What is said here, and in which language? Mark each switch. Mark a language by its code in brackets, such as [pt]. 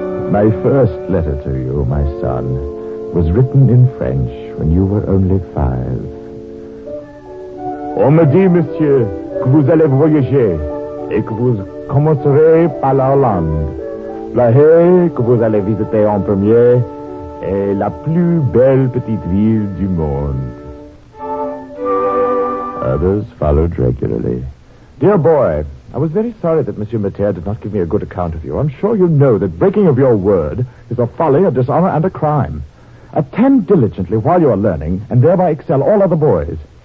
[en] My first letter to you, my son, was written in French when you were only 5. [fr] On me dit, monsieur, que vous allez voyager et que vous commencerez par la Hollande. La Haye, que vous allez visiter en premier, est la plus belle petite ville du monde. [en] Others followed regularly. Dear boy, I was very sorry that Monsieur Mater did not give me a good account of you. I'm sure you know that breaking of your word is a folly, a dishonor, and a crime. Attend diligently while you are learning, and thereby excel all other boys.